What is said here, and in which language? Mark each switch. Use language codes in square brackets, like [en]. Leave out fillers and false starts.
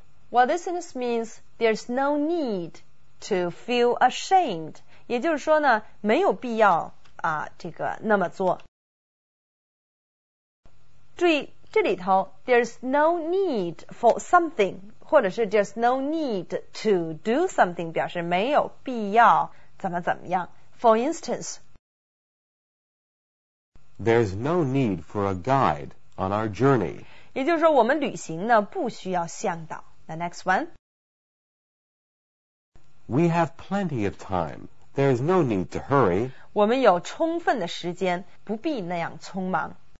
[en] Well, this sentence means there's no need to feel ashamed. [zh] 也就是说呢，没有必要啊，这个那么做。注意这里头 [en] ，there's no need for something. [zh] 或者是 [en] there's no need to do something [zh] 表示没有必要怎么怎么样。 [en] For instance, There's no need for a guide on our journey. [zh] 也就是说我们旅行呢不需要向导。 [en] The next one. We have plenty of time. There's no need to hurry. [zh] 我们有充分的时间不必那样匆忙。